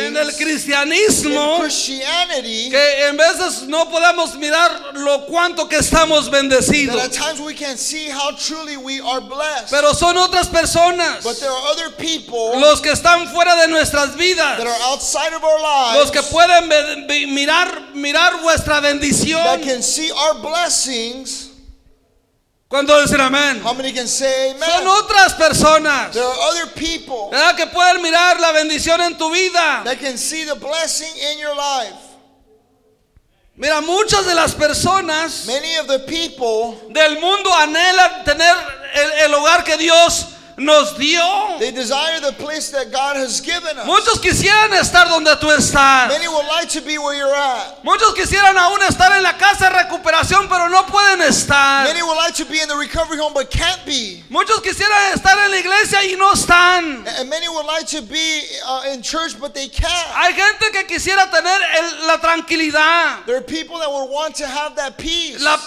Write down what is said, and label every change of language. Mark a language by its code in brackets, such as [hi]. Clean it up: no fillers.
[es] En el cristianismo, que en veces no podemos mirar lo cuánto que estamos bendecidos. [en] At times we can see how truly we are blessed. [es] Pero son otras personas, [en] but there are other people, [es] los que están fuera de nuestras vidas, [en] that are outside of our lives, [es] los que pueden mirar vuestra bendición, [en] that can see our blessings. [es] ¿Cuánto dicen amén? [en] How many can say amen? [es] Son otras personas. [en] There are other people, [es] ¿verdad? Que pueden mirar la bendición en tu vida. [en] That can see the blessing in your life. [es] Mira, muchas de las personas, [en] many of the people, [es] del mundo anhelan tener el hogar que Dios nos dio. [en] They desire the place that God has given us. [es] Muchos quisieran estar donde tú estás. [en] Many would like to be where you're at. [es] Muchos quisieran aún estar en la casa de recuperación, pero no pueden estar. [en] Many would like to be in the recovery home, but can't be. [es] Muchos quisieran estar en la iglesia y no están. [en] And many would like to be in church, but they can't. [es] Hay gente que quisiera tener la tranquilidad. [en] There are people that would want to have that peace.